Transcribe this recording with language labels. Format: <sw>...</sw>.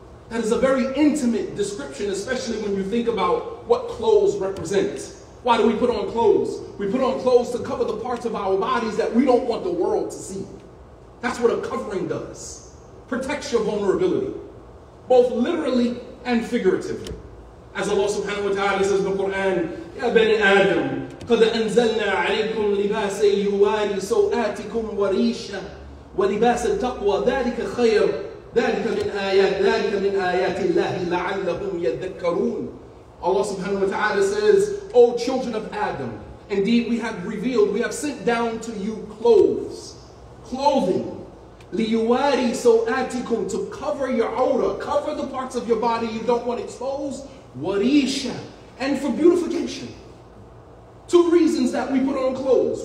<en>That is a very intimate description, especially when you think about what clothes represent. Why do we put on clothes? We put on clothes to cover the parts of our bodies that we don't want the world to see. That's what a covering does. Protects your vulnerability, both literally and figuratively. As Allah subhanahu wa ta'ala says in the Quran,</en> <ar>Ya bani Adam, قَدْ أَنزَلْنَا عَلَيْكُمْ لِبَاسَ يُوَارِي سَوْآتِكُمْ وَرِيشًا وَلِبَاسَ التَّقْوَى ذَلِكَ خَيْرٌ ذَلِكَ مِنْ آيَاتِ اللَّهِ لَعَلَّهُمْ يَذَّكَّرُونَ.</ar> <en>Allah subhanahu wa ta'ala says, O children of Adam, indeed we have revealed, we have sent down to you clothes. Clothing.</en> <ar>لِيُوَارِي سَوْآتِكُمْ,</ar> <en>to cover your awrah, cover the parts of your body you don't want exposed. وَرِيشَ, and for beautification. Two reasons that we put on clothes.</en>